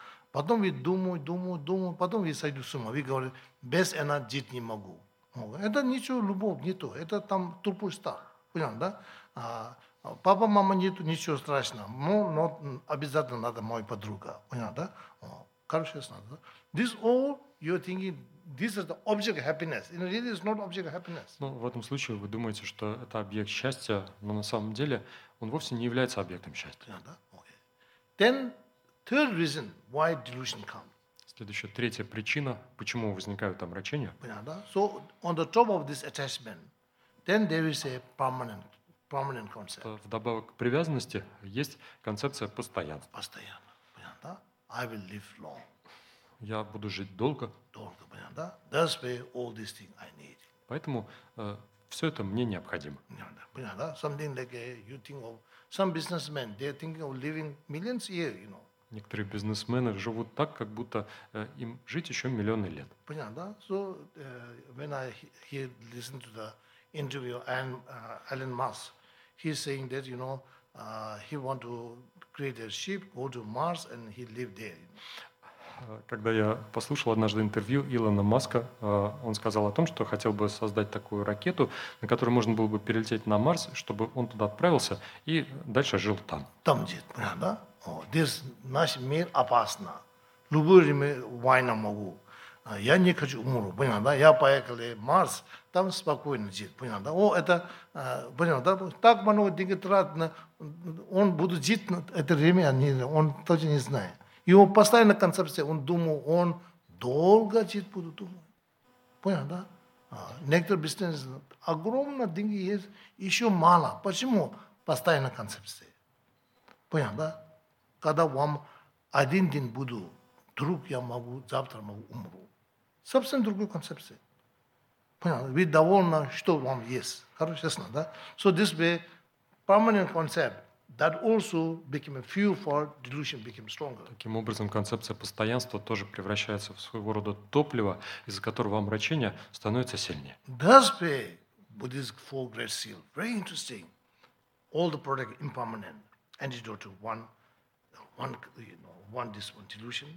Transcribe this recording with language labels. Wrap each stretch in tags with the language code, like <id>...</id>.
<ru>Потом вы думаю, потом вы сойду с ума. Вы говорите, без она жить не могу. Это ничего, любовь не то. Это там тупой страх. Понятно, да? Папа, мама, нету, ничего страшного, но обязательно надо моя подруга. Понятно, да? Короче, ясно, да?</ru> <en>This all you're thinking, this is the object of happiness. In reality, it's not object of happiness.</en> <ru>Ну, в этом случае вы думаете, что это объект счастья, но на самом деле он вовсе не является объектом счастья. Понятно, да?</ru> <en>Okay. Then, third reason why delusion comes.</en> <ru>Следующая, третья причина, почему возникают омрачения. Понятно, да?</ru> <en>So, on the top of this attachment, then there is a permanent concept.</en> <ru>Вдобавок к привязанности есть концепция постоянства. Постоянно, понятно, да?</ru> <en>I will live long.</en> <ru>Я буду жить долго. Долго, понятно, да?</ru> <en>That's why all these things I need.</en> <ru>Поэтому все это мне необходимо. Понятно, да?</ru> <en>Something like you think of some businessmen, they're thinking of living millions of years, you know.</en> <ru>Некоторые бизнесмены живут так, как будто им жить еще миллионы лет. Понятно, да?</ru> <en>So when I hear listen to the interview and Elon Musk, he's saying that you know he want to create a ship, go to Mars, and he live there.</en> <ru>Когда я послушал однажды интервью Илона Маска, он сказал о том, что хотел бы создать такую ракету, на которой можно было бы перелететь на Марс, чтобы он туда отправился и дальше жил там. Там где, да? This наш мир опасно. Любое время война могу. Я не хочу умру, понял, да? Я поехал на Марс, там спокойно жить, понял, да? О, это, понял, да? Так много денег тратно, он будет жить на это время, он точно не знает. Его постоянно концепция, он думал, он долго жить будет, думаю. Понял, да? Некоторые бизнес, огромные деньги есть, еще мало. Почему постоянно концепция? Понял, да? Когда вам один день буду, вдруг я могу, завтра могу умру. Совсем другая концепция. Понятно? Вы довольны, что вам есть. Хорошо, ясно, да?</ru> <en>So this way, permanent concept, that also became a fuel for delusion, became stronger.</en> <ru>Таким образом, концепция постоянства тоже превращается в своего рода топливо, из-за которого омрачение становится сильнее.</ru> <en>That's why Buddhist four great seal. Very interesting. All the product impermanent, antidote to one, you know, one this one delusion.</en>